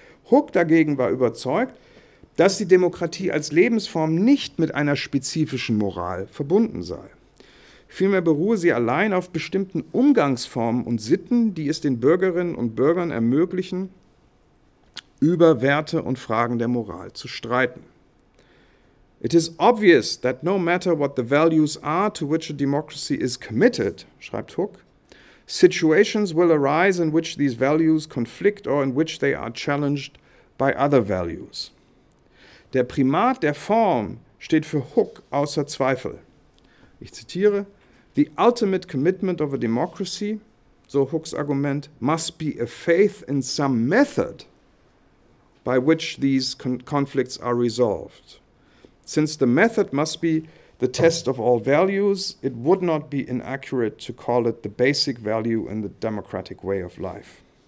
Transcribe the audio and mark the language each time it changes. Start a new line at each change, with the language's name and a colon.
German: Hook dagegen war überzeugt, dass die Demokratie als Lebensform nicht mit einer spezifischen Moral verbunden sei. Vielmehr beruhe sie allein auf bestimmten Umgangsformen und Sitten, die es den Bürgerinnen und Bürgern ermöglichen, über Werte und Fragen der Moral zu streiten.
English: It is obvious that no matter what the values are to which a democracy is committed,
German: schreibt Hook,
English: situations will arise in which these values conflict or in which they are challenged by other values.
German: Der Primat der Form steht für Hook außer Zweifel. Ich zitiere,
English: the ultimate commitment of a democracy,
German: so Hooks Argument,
English: must be a faith in some method by which these conflicts are resolved. Since the method must be the test of all values, it would not be inaccurate to call it the basic value in the democratic way of life.